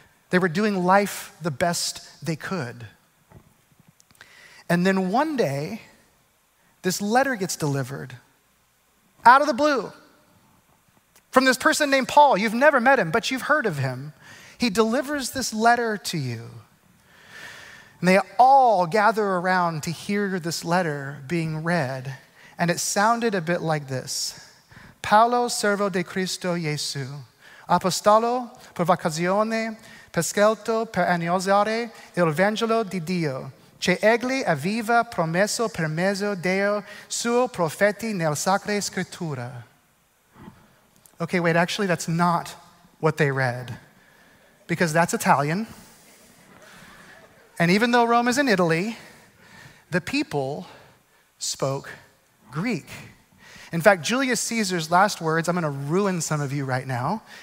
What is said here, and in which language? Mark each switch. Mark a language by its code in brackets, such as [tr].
[en] They were doing life the best they could. And then one day, this letter gets delivered out of the blue from this person named Paul. You've never met him, but you've heard of him. He delivers this letter to you. And they all gather around to hear this letter being read. And it sounded a bit like this. [it] Paolo, servo di Cristo Gesù, apostolo per vocazione, prescelto per annunciare il Vangelo di Dio, che egli aveva promesso per mezzo Dio suo profeti nel Sacra Scrittura. [en] Okay, wait, actually that's not what they read. Because that's Italian. And even though Rome is in Italy, the people spoke Greek. In fact, Julius Caesar's last words, I'm going to ruin some of you right now.